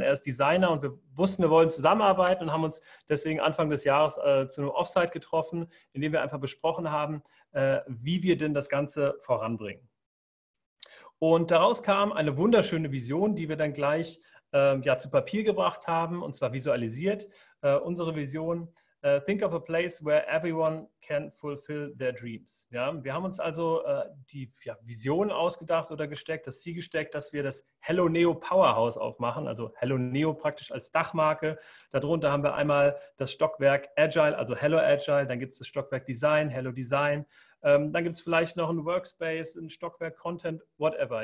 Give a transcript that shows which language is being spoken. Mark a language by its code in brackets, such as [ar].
[de] Er ist Designer und wir wussten, wir wollen zusammenarbeiten und haben uns deswegen Anfang des Jahres zu einem Offsite getroffen, in dem wir einfach besprochen haben, wie wir denn das Ganze voranbringen. Und daraus kam eine wunderschöne Vision, die wir dann gleich ja, zu Papier gebracht haben, und zwar visualisiert. Unsere Vision, [en] think of a place where everyone can fulfill their dreams. [de] Ja, wir haben uns also die Vision ausgedacht oder gesteckt, das Ziel gesteckt, dass wir das Hello Neo Powerhouse aufmachen, also Hello Neo praktisch als Dachmarke. Darunter haben wir einmal das Stockwerk Agile, also Hello Agile, dann gibt es das Stockwerk Design, Hello Design. Dann gibt es vielleicht noch ein Workspace, ein Stockwerk Content, whatever.